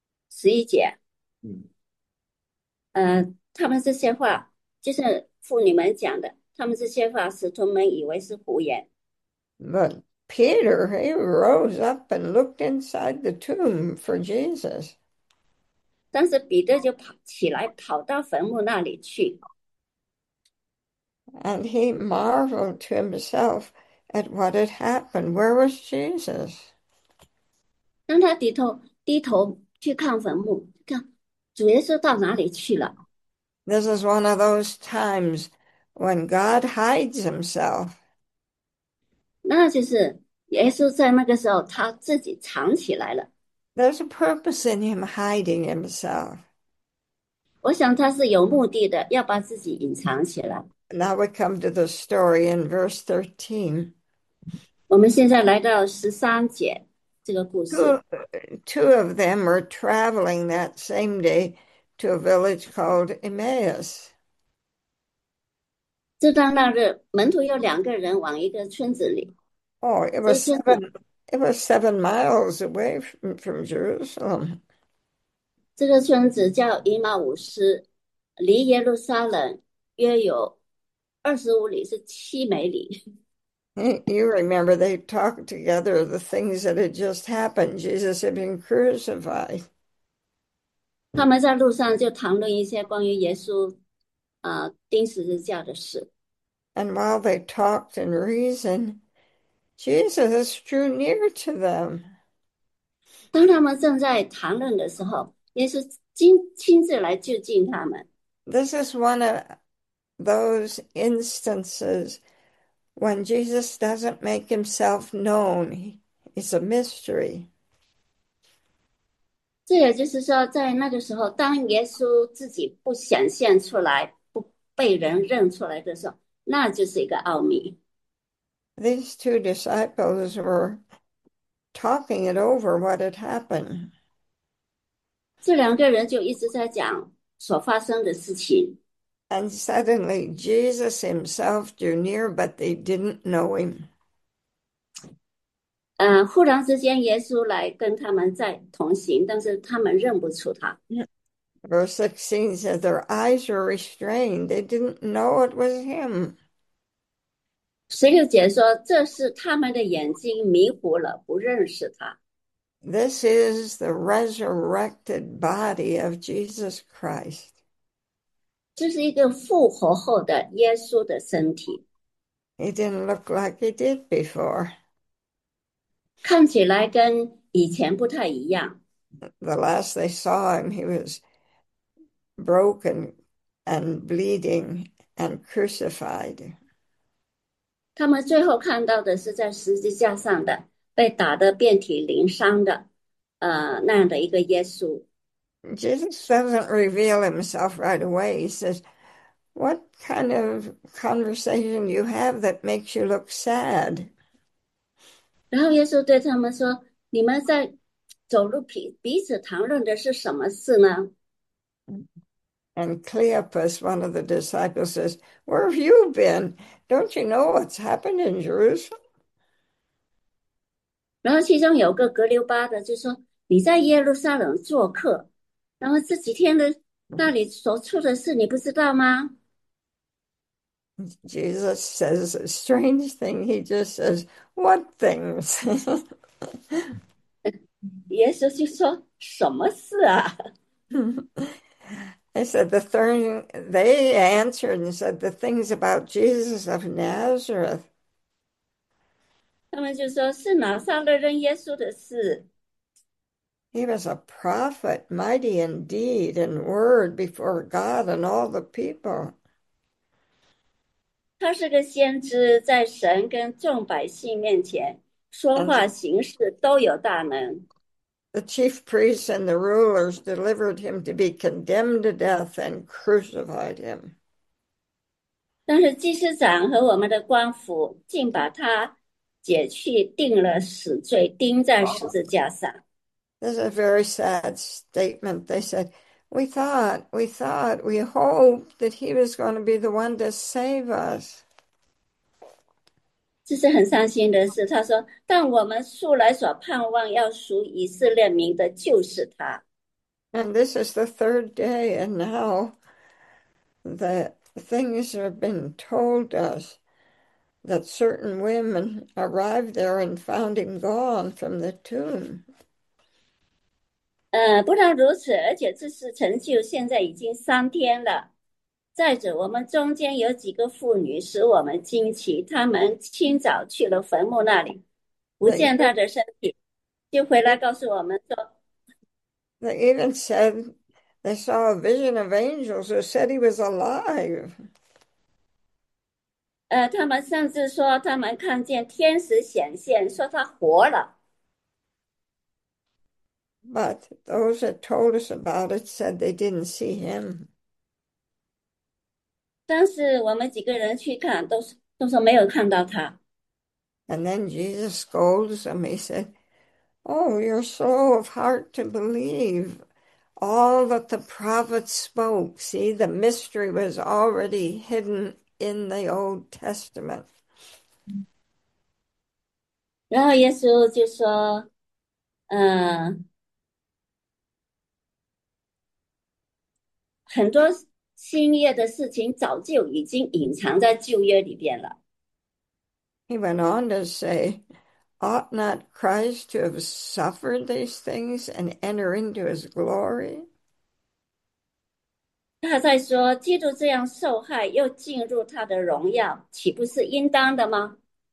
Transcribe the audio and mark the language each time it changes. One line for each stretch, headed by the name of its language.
Chinese: 11节，他们这些话就是妇女们讲的，他们这些话使徒们以为是胡言。
English: But Peter, he rose up and looked inside the tomb for Jesus.
Chinese: 但是彼得就跑到坟墓那里去。
English: And he marveled to himself at what had happened. Where was Jesus?
Chinese: 当他低头。去看坟墓，看主耶稣到哪里去了？
English: This is one of those times when God hides himself.
Chinese: 那就是耶稣在那个时候他自己藏起来了。
English: There's a purpose in him hiding himself.
Chinese: 我想他是有目的的，要把自己隐藏起来。
English: Now we come to the story in verse 13.
Chinese: 我们现在来到13节这个故事。
English: Two of them were traveling that same day to a village called Emmaus.
Chinese: 就到那日，门徒有两个人往一个村子里， Oh, 这村子，
English: it was 7 miles away from Jerusalem.
Chinese: 这个村子叫以马忤斯，离耶路撒冷约有25里，是7美里。
English: You remember they talked together the things that had just happened. Jesus had been crucified.
Chinese: 他们在路上就谈论一些关于耶稣，钉十字架的事。
English: And while they talked and reasoned, Jesus drew near to them.
Chinese: 当他们正在谈论的时候，耶稣亲自来就近他们。
English: This is one of those instances when Jesus doesn't make himself known. It's a mystery.
Chinese: 这也就是说，在那个时候，当耶稣自己不显现出来、不被人认出来的时候，那就是一个奥秘。
English: These two disciples were talking it over what had happened.
Chinese: 这两个人就一直在讲所发生的事情。
English: And suddenly Jesus himself drew near, but they didn't know him.
Chinese: 忽然之间，耶稣来跟他们在同行，但是他们认不出他。
English: Verse 16 says their eyes were restrained. They didn't know it was him.
Chinese: 16节说，这是他们的眼睛迷糊了，不认识他。
English: This is the resurrected body of Jesus Christ.
Chinese: 这是一个复活后的耶稣的身体。
English: He didn't look like he did before.
Chinese: 看起来跟以前不太一样。
English: The last they saw him, he was broken and bleeding and crucified.
Chinese: 他们最后看到的是在十字架上的，被打得遍体鳞伤的，那样的一个耶稣。
English: Jesus doesn't reveal himself right away. He says, "What kind of conversation do you have that makes you look sad?"
Chinese: 然后耶稣对他们说："你们在走路彼此谈论的是什么事
English: And Cleopas, one of the disciples, says, "Where have you been? Don't you know what's happened in Jerusalem?" ？”
Chinese: 然后其中有个格留巴的就说："你在耶路撒冷做客，然后这几天的那里所出的事，你不知道吗？"
English: Jesus says a strange thing. He just says, "What things?"
Chinese: 耶稣就说："什么事啊
English: I said, "The thing." They answered and said, "The things about Jesus of Nazareth." ？”
Chinese: 他们就说是拿撒勒人耶稣的事。 He was a prophet, mighty in deed and word before God and all the people. 他是个先知，在神跟众百姓面前说
English: And
Chinese: 话行事都有大能。
English: the chief priests and the rulers delivered him to be condemned to death and crucified him.
Chinese: 但是祭司长和我们的官府竟把他解去，定了死罪，钉在十字架上。
English: This is a very sad statement. They said, "We thought, we hoped that he was going to be the one to save us."
Chinese: 这是很伤心的事。他说："但我们素来所盼望要赎以色列民的，就是他。"
English: And this is the third day, and now the things have been told us that certain women arrived there and found him gone from the tomb.
Chinese: 不但如此，而且这事成就，现在已经3天了。再者，我们中间有几个妇女，使我们惊奇。她们清早去了坟墓那里，不见他的身体，就回来告诉我们说，
English: They even said they saw a vision of angels who said he was alive.
Chinese: 他们甚至说他们看见天使显现，说他活了。
English: But those that told us about it said they didn't see him.
Chinese: 当时我们几个人去看，都说没有看到他。
English: And then Jesus scolds them. He said, "Oh, you're slow of heart to believe all that the prophets spoke. See, the mystery was already hidden in the Old Testament.
Chinese: 然后耶稣就说：“很多新约的事情早就已经隐藏在旧约里边了。
English: He went on to say, "Ought not Christ to have suffered these things and enter into his glory?"
Chinese: ”他在说：“基督这样受害，又进入他的荣耀，岂不是应当的吗？”